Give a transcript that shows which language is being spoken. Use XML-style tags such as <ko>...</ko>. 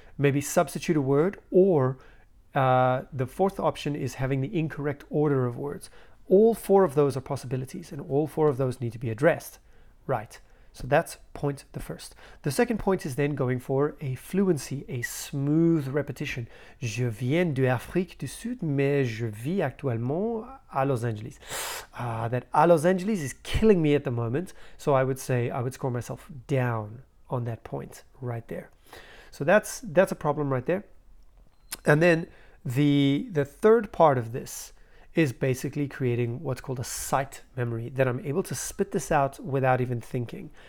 <en>Maybe substitute a word, or the fourth option is having the incorrect order of words. All four of those are possibilities, and all four of those need to be addressed. Right. So that's point the first. The second point is then going for a fluency, a smooth repetition.</en> <fr>Je viens de Afrique du Sud, mais je vis actuellement à Los Angeles.</fr> <en>That à Los Angeles is killing me at the moment. So I would say I would score myself down on that point right there. So that's a problem right there. And then the third part of this is basically creating what's called a sight memory, that I'm able to spit this out without even thinking.</en>